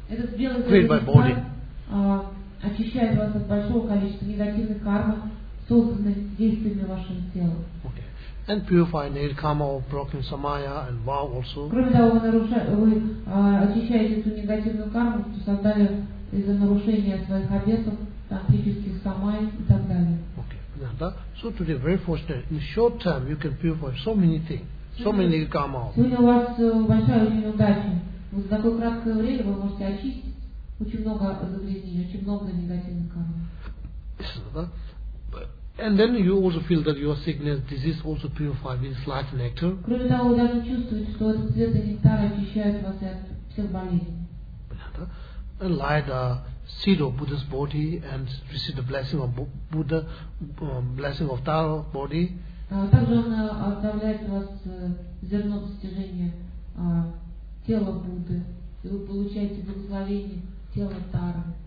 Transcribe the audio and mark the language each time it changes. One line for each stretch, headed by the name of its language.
Russian: Этот белый свет нектара очищает вас от большого количества негативных карм, созданных действиями вашего тела.
English: And purify negative karma of broken samaya and vow also.
Russian: Кроме того, вы очищаете эту негативную карму, что создали из-за нарушения своих обетов, тактических самай и так далее.
English: Okay. Да? So today very fortunate. In short term you can purify so many things, so many negative karma.
Russian: Сегодня у вас большая очень удача. Вот за такое краткое время вы можете очистить очень много загрязнений, очень много негативных карм.
English: And then you also feel that your sickness, disease also purified with light nectar.
Russian: Кроме того, вы даже чувствуете, что этот цвет нектара очищает вас от всех болезней.
English: And lie the seed of Buddha's body and receive the blessing of Buddha, blessing of Tara body.
Russian: Также он оставляет вас зерно достижения тела Будды, и вы получаете благословение тела Тара.